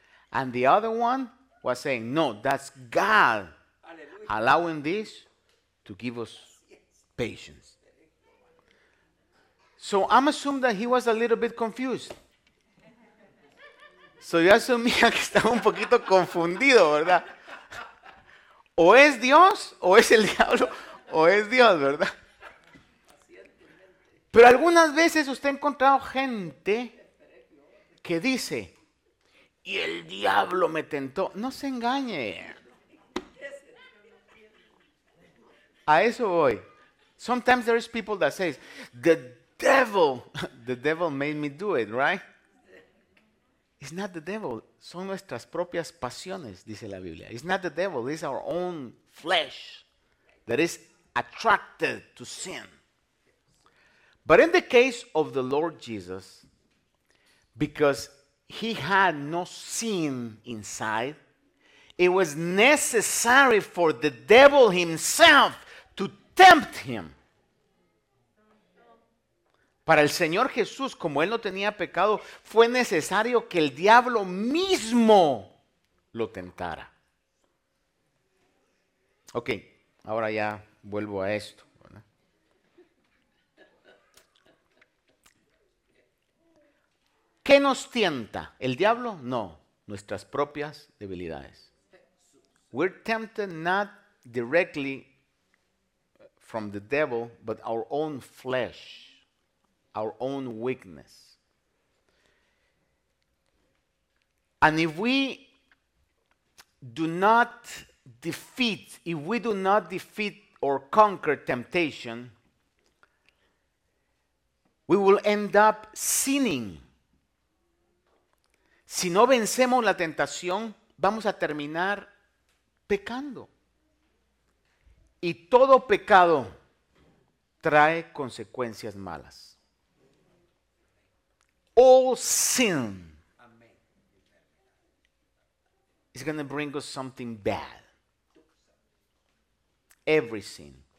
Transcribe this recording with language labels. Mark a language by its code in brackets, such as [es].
[en] And the other one was saying, no, that's God allowing this to give us patience. So I'm assuming that he was a little bit confused. [es] So yo asumía que estaba un poquito confundido, ¿verdad? O es Dios, o es el diablo, o es Dios, ¿verdad? Pero algunas veces usted ha encontrado gente que dice, y el diablo me tentó. No se engañe. A eso voy. [en] Sometimes there is people that says, the devil made me do it, right? It's not the devil, [es] son nuestras propias pasiones, dice la Biblia. [en] It's not the devil, it's our own flesh that is attracted to sin. But in the case of the Lord Jesus, because he had no sin inside, it was necessary for the devil himself to tempt him. [es] Para el Señor Jesús, como Él no tenía pecado, fue necesario que el diablo mismo lo tentara. Ok, ahora ya vuelvo a esto. ¿Qué nos tienta? ¿El diablo? No, nuestras propias debilidades. [en] We're tempted not directly from the devil, but our own flesh, our own weakness. And if we do not defeat, if we do not defeat or conquer temptation, we will end up sinning. [es] Si no vencemos la tentación, vamos a terminar pecando. Y todo pecado trae consecuencias malas. [en] All sin is going to bring us something bad. Every sin.